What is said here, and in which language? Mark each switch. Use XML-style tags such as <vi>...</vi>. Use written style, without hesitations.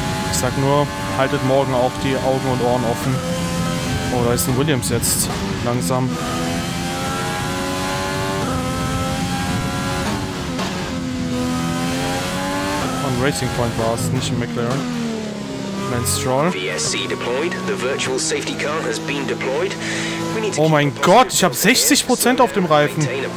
<de>Ich sag nur, haltet morgen auch die Augen und Ohren offen. Oh, da ist ein Williams jetzt. Langsam. Von Racing Point war es, nicht in McLaren. Lance Stroll.</de> <en>VSC deployed. The virtual safety car has been deployed.</en> <de>Oh mein Gott, ich habe 60% auf dem Reifen.</de>